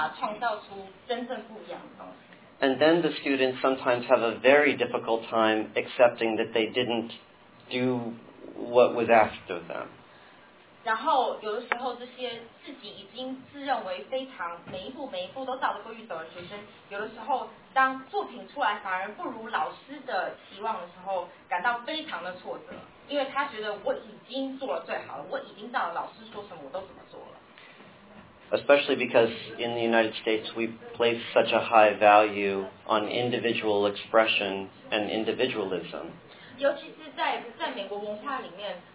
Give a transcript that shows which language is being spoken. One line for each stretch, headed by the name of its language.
Chinese: 有的，但是有的时候，即使你一步一步步步为营的照着所有的规矩规则来走，却没有办法创造出真正不一样的东西。
English: And then the students sometimes have a very difficult time accepting that they didn't do what was asked of them.
Chinese: 然后有的时候这些自己已经自认为非常每一步每一步都照着规矩走的学生，有的时候当作品出来反而不如老师的期望的时候，感到非常的挫折，因为他觉得我已经做了最好了，我已经照着老师说什么我都怎么做了。
English: Especially because in the United States we place such a high value on individual expression and individualism.
Chinese: 尤其是在美国文化里面。